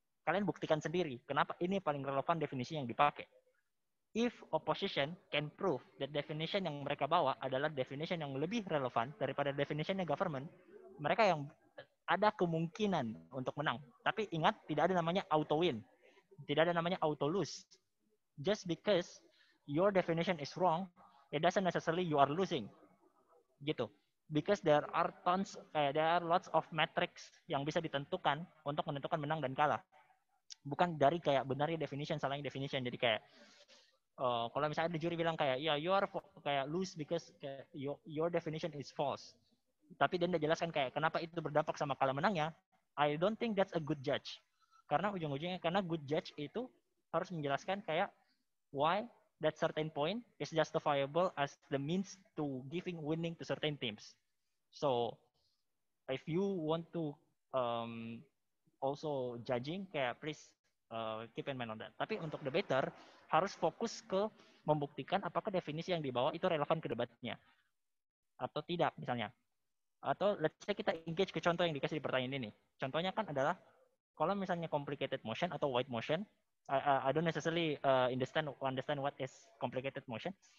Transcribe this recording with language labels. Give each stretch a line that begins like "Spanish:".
Indonesian: Kalian buktikan sendiri kenapa ini paling relevan definisi yang dipakai.
English: If opposition can prove that definition
Indonesian: yang mereka bawa adalah definition yang lebih relevan daripada definitionnya government, mereka yang ada kemungkinan untuk menang. Tapi ingat, tidak ada namanya auto win. Tidak ada namanya auto lose.
English: Just because your definition is wrong, it doesn't necessarily you are losing. Gitu. Because there are tons, there are lots of metrics
Indonesian: yang bisa ditentukan untuk menentukan menang dan kalah. Bukan dari kayak benarnya definition, salahnya definition. Jadi kayak, kalau misalnya ada juri bilang kayak,
English: yeah, you are kayak lose because kayak, your definition is false.
Indonesian: Tapi dia udah jelaskan kayak, kenapa itu berdampak sama kalah menangnya,
English: I don't think that's a good judge.
Indonesian: Karena ujung-ujungnya, karena good judge itu harus menjelaskan kayak,
English: why that certain point is justifiable as the means to giving winning to certain teams. So, if you want to also judging,
Indonesian: kayak
English: please keep in mind on that.
Indonesian: Tapi untuk debater, harus fokus ke membuktikan apakah definisi yang dibawa itu relevan ke debatnya. Atau tidak, misalnya. Atau
English: let's say
Indonesian: kita engage ke contoh yang dikasih di pertanyaan ini. Contohnya kan adalah, kalau misalnya complicated motion atau wide motion,
English: I don't necessarily understand what is complicated motion.